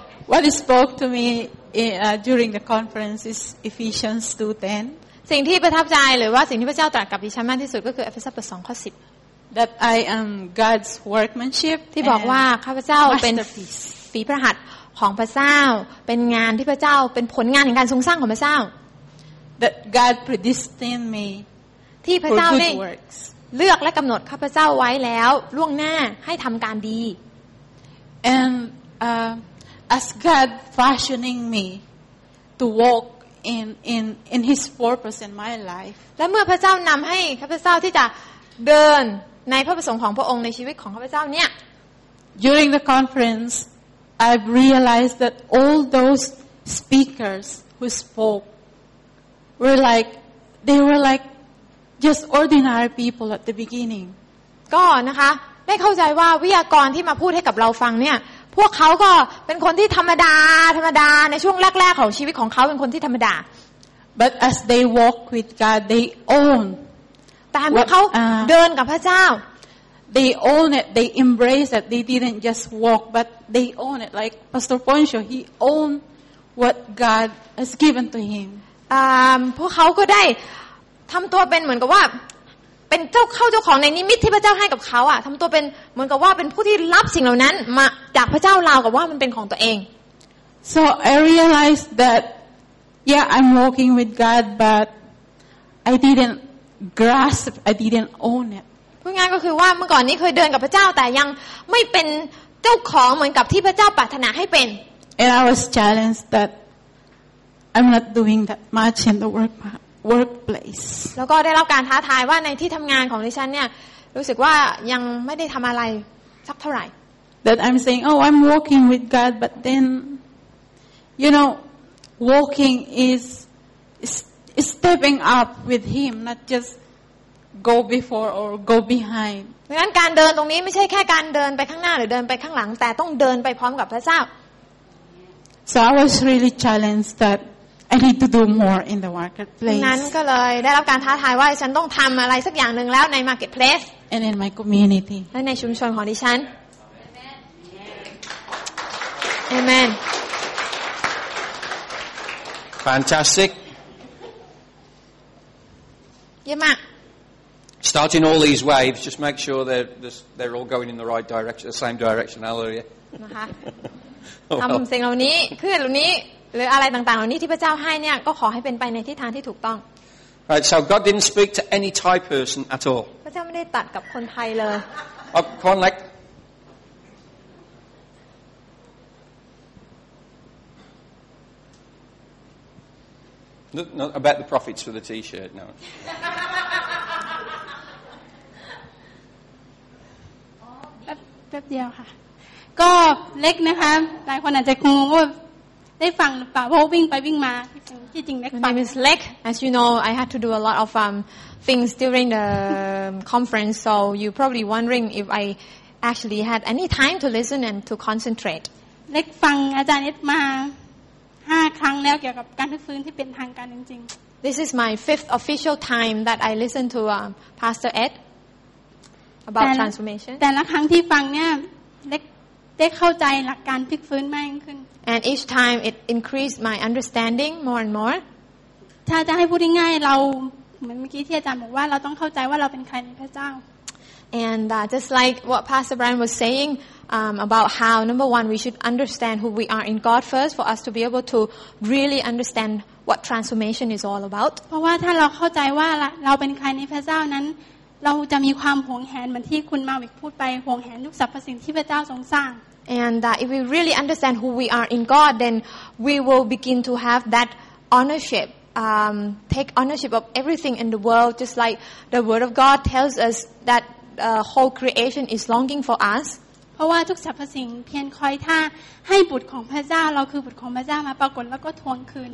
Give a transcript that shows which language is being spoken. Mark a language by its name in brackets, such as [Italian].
[English] What he spoke to me during the conference is Ephesians 2:10. [Thai] สิ่งที่ประทับใจหรือว่าสิ่งที่พระเจ้าตรัสกับดิฉันมากที่สุดก็คือ Ephesians 2:10. [English] That I am God's workmanship. [Thai] ที่บอกว่าข้าพเจ้าเป็นฝีพระหัตถ์ของพระเจ้าเป็นงานที่พระเจ้าเป็นผลงานแห่งการทรงสร้างของพระเจ้า [English] That God predestined me. [Thai] ที่พระเจ้าได้เลือกและกำหนดข้าพเจ้าไว้แล้วล่วงหน้าให้ทำการดี [English] AndAs God fashioning me to walk in His purpose in my life. [Thai] และเมื่อพระเจ้านำให้ข้าพเจ้าที่จะเดินในพระประสงค์ของพระองค์ในชีวิตของข้าพเจ้าเนี่ย [English] During the conference, I realized that all those speakers who spoke were like they were like just ordinary people at the beginning. [Thai] ก็นะคะได้เข้าใจว่าวิทยากรที่มาพูดให้กับเราฟังเนี่ยพวกเขาก็เป็นคนที่ธรรมดาธรรมดาในช่วงแรกๆของชีวิตของเขาเป็นคนที่ธรรมดา [English] But as they walk with God they own [Thai] แต่เมื่อเขาเดินกับพระเจ้า [English] they own it they embrace it they didn't just walk but they own it like Pastor Poncho he own what God has given to him [Thai] พวกเขาก็ได้ทำตัวเป็นเหมือนกับว่าเป็นเจ้าเข้าเจ้าของในนิมิตที่พระเจ้าให้กับเขาอ่ะทำตัวเป็นเหมือนกับว่าเป็นผู้ที่รับสิ่งเหล่านั้นมาจากพระเจ้าราวกับว่ามันเป็นของตัวเอง [English] so I realized that yeah I'm walking with God but I didn't grasp, I didn't own it. [Thai] พูดง่ายก็คือว่าเมื่อก่อนนี้เคยเดินกับพระเจ้าแต่ยังไม่เป็นเจ้าของเหมือนกับที่พระเจ้าปรารถนาให้เป็น [English] And I was challenged that I'm not doing that much in the workplace. [Thai] แล้วก็ได้รับการท้าทายว่าในที่ทำงานของดิฉันเนี่ยรู้สึกว่ายังไม่ได้ทำอะไรสักเท่าไหร่ [English] That I'm saying, oh, I'm walking with God, but then, you know, walking is stepping up with Him, not just go before or go behind. [Thai] ดังนั้นการเดินตรงนี้ไม่ใช่แค่การเดินไปข้างหน้าหรือเดินไปข้างหลังแต่ต้องเดินไปพร้อมกับพระเจ้า [English] So I was really challenged that I need to do more in the marketplace. [Thai] ดังนั้นก็เลยได้รับการท้าทายว่าฉันต้องทำอะไรสักอย่างนึงแล้วใน marketplace. [English] And in my community. [Thai] และในชุมชนของดิฉันAmen. [English] Fantastic. Yeah, Mark. Starting all these waves, just make sure they're all going in the right direction, the same direction. Hallelujah. [Thai] ทำสิ่งเหล่านี้ขึ้นเหล่านี้หรืออะไรต่างๆเหล่านี้ที่พระเจ้าให้เนี่ยก็ขอให้เป็นไปในทิศทางที่ถูกต้อง [English] Right. So God didn't speak to any Thai person at all. [Thai] พระเจ้าไม่ได้ตัดกับคนไทยเลย [English] Oh, come on, like. Not about the profits for the T-shirt, no. [Thai] แป๊บเดียวค่ะก็เล็กนะคะหลายคนอาจจะงงว่าได้ฟังหรือเปล่าเพราะวิ่งไปวิ่งมาที่จริงเล็ก [English] ไป It's leg. As you know, I had to do a lot of things during the conference, so you probably wondering if I actually had any time to listen and to concentrate. [Thai] เล็กฟังอาจารย์เอ็ดมา5ครั้งแล้วเกี่ยวกับการฟื้นที่เป็นทางการจริง [English] ๆ This is my fifth official time that I listen to Pastor Ed about transformation [Thai] แต่ละครั้งที่ฟังเนี่ยได้เข้าใจหลักการพลิกฟื้นมากขึ้น [English] And each time it increased my understanding more and more [Thai] ถ้าจะให้พูดง่ายๆเราเหมือนเมื่อกี้ที่อาจารย์บอกว่าเราต้องเข้าใจว่าเราเป็นใครในพระเจ้า [English] And just like what Pastor Brian was sayingabout how number one we should understand who we are in God first for us to be able to really understand what transformation is all about [Thai] เพราะว่าถ้าเราเข้าใจว่าเราเป็นใครในพระเจ้านั้นเราจะมีความหวงแหนเหมือนที่คุณมาวิกพูดไปหวงแหนทุกสรรพสิ่งที่พระเจ้าทรงสร้าง [English] and if we really understand who we are in God then we will begin to have that ownershiptake ownership of everything in the world just like the word of God tells us that the whole creation is longing for us [Thai] เพราะว่าทุกสรรพสิ่งเพียงคอยท่าให้บุตรของพระเจ้าเราคือบุตรของพระเจ้ามาปรากฏแล้วก็ทวงคืน